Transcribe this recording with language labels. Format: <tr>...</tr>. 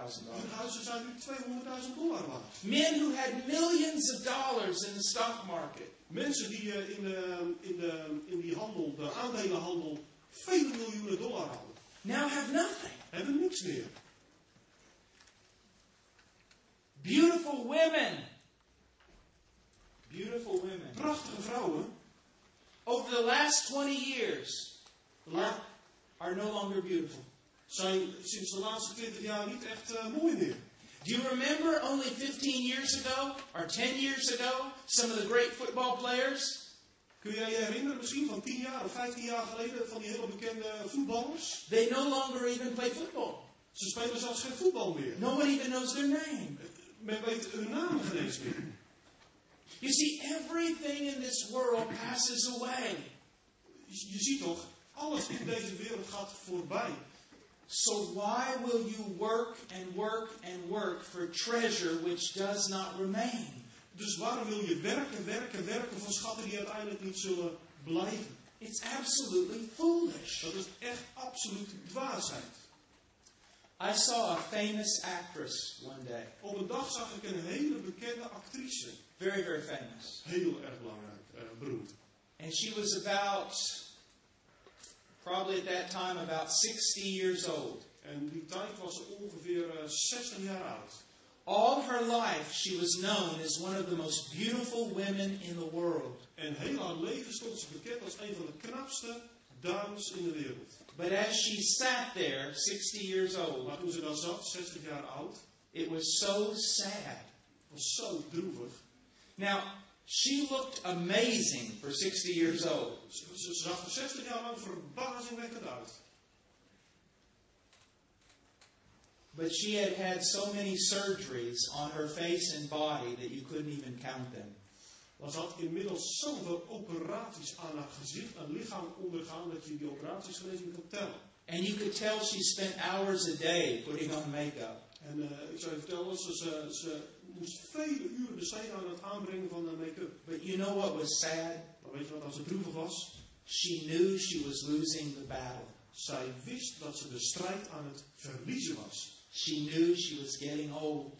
<nl>Hun huizen zijn nu $200,000 waard.</nl> <en>Men who had millions of dollars in the stock market.</en> <nl>Mensen die in de aandelenhandel vele miljoenen dollar hadden.</nl> <en>Now have nothing.</en> <nl>Hebben niks meer.</nl> <en>Beautiful women. Beautiful women.</en> <nl>Prachtige vrouwen.</nl> <en>Over the last 20 years. Are no longer beautiful.</en> <nl>Zijn sinds de laatste 20 jaar niet echt mooi meer.</nl> <en>Do you remember only 15 years ago or 10 years ago some of the great football players?</en> <nl>Kun jij je herinneren misschien van 10 jaar of 15 jaar geleden van die hele bekende voetballers?</nl> <en>They no longer even play football.</en> <nl>Ze spelen zelfs geen voetbal meer.</nl> <en>Nobody even knows their name.</en> <nl>Men weet hun naam geen eens meer.</nl> <en>You see, everything in this world passes away.</en> <nl>Je ziet toch, alles in deze wereld gaat voorbij.</nl> <en>So why will you work and work and work for treasure which does not remain?</en> <nl>Dus waarom wil je werken, werken, werken voor schatten die uiteindelijk niet zullen blijven?</nl> <en>It's absolutely foolish.</en> <nl>Dat is echt absoluut dwaasheid.</nl> <en>I saw a famous actress one day.</en> <nl>Op een dag zag ik een hele bekende actrice.</nl> <en>Very, very famous.</en> <nl>Heel erg belangrijk, beroemd.</nl> <en>And she was about, probably at that time, about 60 years old.</en> <nl>En die tijd was ongeveer 60 jaar oud.</nl> <en>All her life she was known as one of the most beautiful women in the world.</en> <nl>En heel haar leven stond ze bekend als een van de knapste dames in de wereld.</nl> <en>But as she sat there, 60 years old.</en> <nl>Maar toen ze daar zat, 60 jaar oud.</nl> <en>It was so sad.</en> <nl>Het was zo droevig.</nl> <en>Now, she looked amazing for 60 years old.</en> <nl>Ze zag er 60 jaar lang verbazingwekkend uit.</nl> <en>But she had had so many surgeries on her face and body that you couldn't even count them.</en> <nl>Was had inmiddels zoveel operaties aan haar gezicht en lichaam ondergaan dat je die operaties geen eens meer kunt tellen.</nl> <en>And you could tell she spent hours a day putting on makeup.</en> <nl>En ik zou je vertellen, ze moest vele uren besteden aan het aanbrengen van haar make-up.</nl> <en>But you know what was sad?</en> <nl>Maar weet je wat, als het droevig was?</nl> <en>She knew she was losing the battle.</en> <nl>Zij wist dat ze de strijd aan het verliezen was.</nl> <en>She knew she was getting old.</en>